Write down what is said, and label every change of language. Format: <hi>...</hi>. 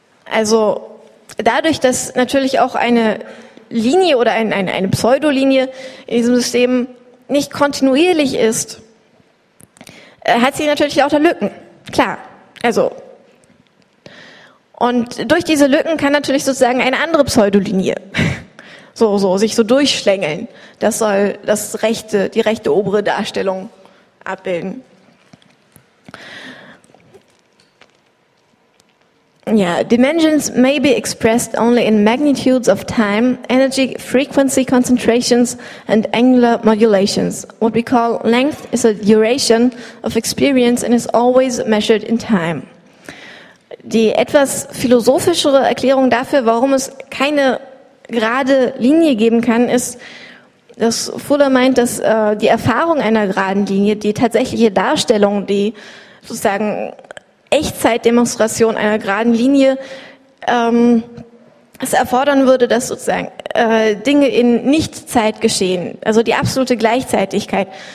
<de>Also dadurch, dass natürlich auch eine Linie oder eine Pseudolinie in diesem System nicht kontinuierlich ist, hat sie natürlich auch da Lücken. Klar. Also. Und durch diese Lücken kann natürlich sozusagen eine andere Pseudolinie so sich so durchschlängeln. Das soll die rechte obere Darstellung abbilden.</de> <en>Yeah, dimensions may be expressed only in magnitudes of time, energy frequency concentrations, and angular modulations. What we call length is a duration of experience and is always measured in time.</en> <de>Die etwas philosophischere Erklärung dafür, warum es keine gerade Linie geben kann, ist, dass Fuller meint, dass die Erfahrung einer geraden Linie, die tatsächliche Darstellung, die sozusagen Echtzeitdemonstration einer geraden Linie, es erfordern würde, dass sozusagen Dinge in Nichtzeit geschehen, also die absolute Gleichzeitigkeit.</de>